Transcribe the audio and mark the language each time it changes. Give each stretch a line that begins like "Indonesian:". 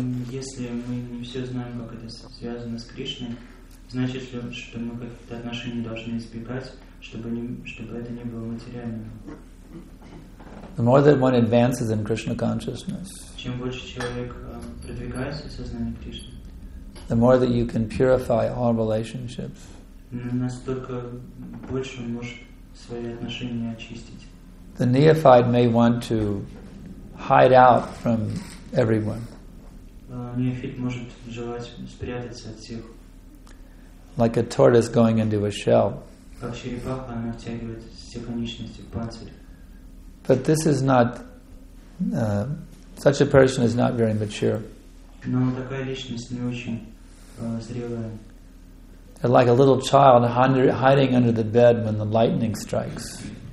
Russian: Если мы не все знаем, как это связано с Кришной, значит ли, что мы какие-то отношения должны избегать, чтобы это не было материальным?
English: The more that one advances in Krishna consciousness,
Russian: чем больше человек продвигается в сознании Кришны,
English: the more that you can purify all relationships.
Russian: Настолько больше он может свои отношения очистить.
English: The neophyte may want to hide out from everyone.
Russian: Неофит может желать спрятаться от всех.
English: Like a tortoise going into a shell.
Russian: Как черепаха, она втягивает все конечности в панцирь.
English: But this is not, such a person is not very mature. They're like a little child hiding under the bed when the lightning strikes.